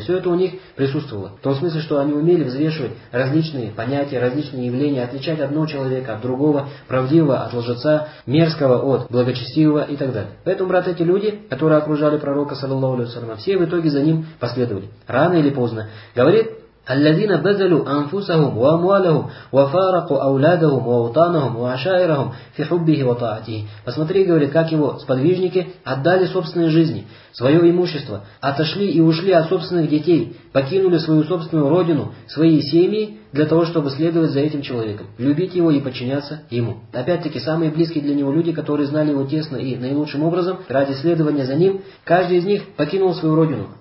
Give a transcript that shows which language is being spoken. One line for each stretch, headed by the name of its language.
Russian: Все это у них присутствовало. В том смысле, что они умели взвешивать различные понятия, различные явления, отличать одного человека от другого, правдивого от лжеца, мерзкого от благочестивого и так далее. Поэтому, брат, эти люди, которые окружали пророка, саллаллаху алейхи ва саллям, все в итоге за ним последовали. Рано или поздно. Говорит,
Arabic: الذين بذلوا أنفسهم وأموالهم وفارقوا أولادهم ووطنهم وعشائرهم في حبه وطاعته.
Russian: Посмотри, говорит, как его сподвижники отдали собственные жизни, свое имущество, отошли и ушли от собственных детей, покинули свою собственную родину, свои семьи для того, чтобы следовать за этим человеком, любить его и подчиняться ему. Опять-таки, самые близкие для него люди, которые знали его тесно и наилучшим образом, ради следования за ним, каждый из них покинул свою родину.